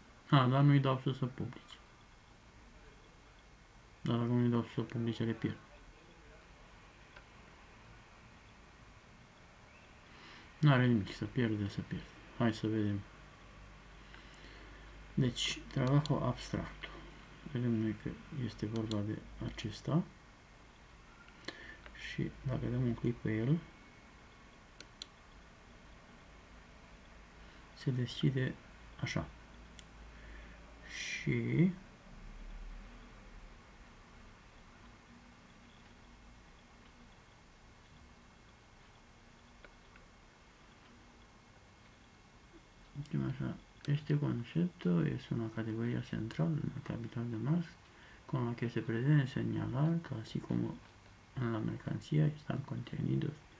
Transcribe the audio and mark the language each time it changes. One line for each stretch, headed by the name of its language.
Romanian: A, dar nu-i dau să se publice. Dar dacă nu-i dau să se publice, le pierd. N-are nimic, să pierde, să pierde. Hai să vedem. Deci,
Spanish: trabajo abstracto.
Romanian: Vedem noi că este vorba de acesta. Și dacă dăm un click pe el, se deschide așa. Și este
Spanish: concepto, es una categoría central en el capital de Marx, con la que se pretende señalar que así como en la mercancía están contenidos.